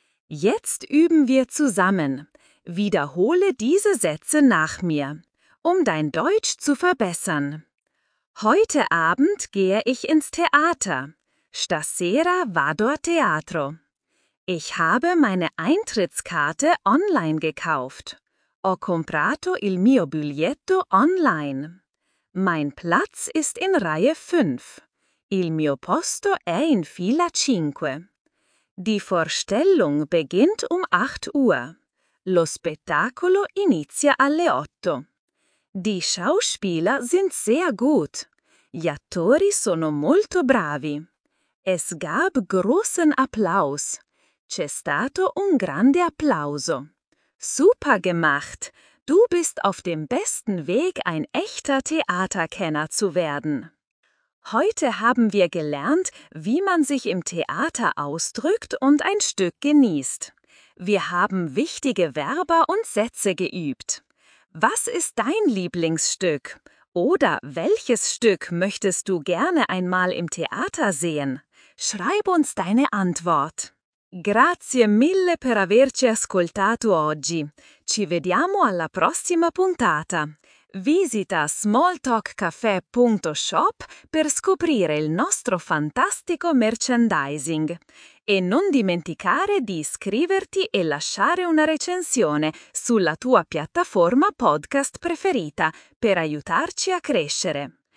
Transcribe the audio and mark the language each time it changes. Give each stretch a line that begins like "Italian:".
German: Jetzt üben wir zusammen. Wiederhole diese Sätze nach mir, um dein Deutsch zu verbessern. Heute Abend gehe ich ins Theater.
Italian: Stasera vado a teatro.
German: Ich habe meine Eintrittskarte online gekauft.
Italian: Ho comprato il mio biglietto online.
German: Mein Platz ist in Reihe 5.
Italian: Il mio posto è in fila 5.
German: Die Vorstellung beginnt um 8 Uhr.
Italian: Lo spettacolo inizia alle 8.
German: Die Schauspieler sind sehr gut.
Italian: Gli attori sono molto bravi.
German: Es gab großen Applaus.
Italian: C'è stato un grande applauso.
German: Super gemacht! Du bist auf dem besten Weg, ein echter Theaterkenner zu werden. Heute haben wir gelernt, wie man sich im Theater ausdrückt und ein Stück genießt. Wir haben wichtige Verben und Sätze geübt. Was ist dein Lieblingsstück? Oder welches Stück möchtest du gerne einmal im Theater sehen? Schreib uns deine Antwort.
Italian: Grazie mille per averci ascoltato oggi. Ci vediamo alla prossima puntata. Visita smalltalkcafè.shop per scoprire il nostro fantastico merchandising. E non dimenticare di iscriverti e lasciare una recensione sulla tua piattaforma podcast preferita per aiutarci a crescere.